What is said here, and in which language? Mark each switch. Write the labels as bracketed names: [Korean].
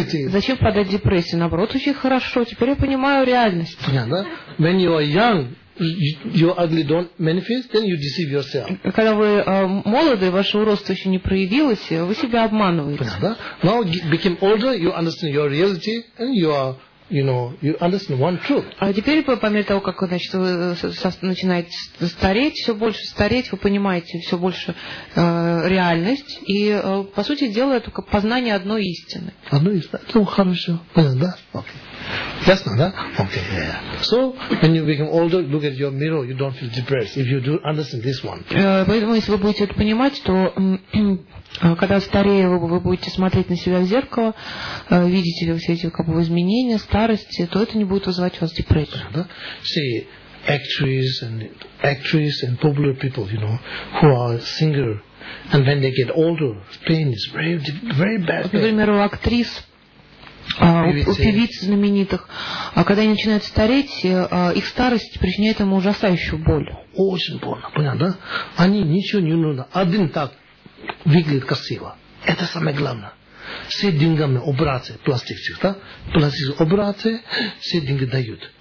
[Russian] Зачем впадать в депрессию? Наоборот, очень хорошо. Теперь я понимаю реальность. Понятно, да? [English] When you are young, your ugly don't manifest, then you deceive yourself. [Russian] Когда вы молоды, ваше уродство еще не проявилось, вы себя обманываете. Понятно, да? [English] Now became older, you understand your reality, and you are, you know, you understand one truth. [Russian] А теперь по мере того, как вы начинаете стареть, все больше стареть, вы понимаете все больше реальность, и по сути дела это только познание одной истины. Одной истины. Ну, хорошо. Понятно, да? Окей. Ясно, да? Окей, okay, yeah. [English] So, when you become older, look at your mirror, you don't feel depressed. If you do understand this one. [Russian] Поэтому, если вы будете это понимать, то когда старее вы будете смотреть на себя в зеркало, видите ли все эти как бы изменения, старости, то это не будет вызывать у вас депрессию. Да? [English] See, actresses and popular people, you know, who are singer, and when they get older, pain is very, very bad. [Russian] Например, у актрис, у певиц знаменитых, когда они начинают стареть, их старость причиняет им ужасающую боль. Очень больно, понятно, да? Они ничего не нужно. Один так выглядит красиво. Это самое главное. Все деньгами убраться, пластикчик, да? Пластик убраться, все деньги дают.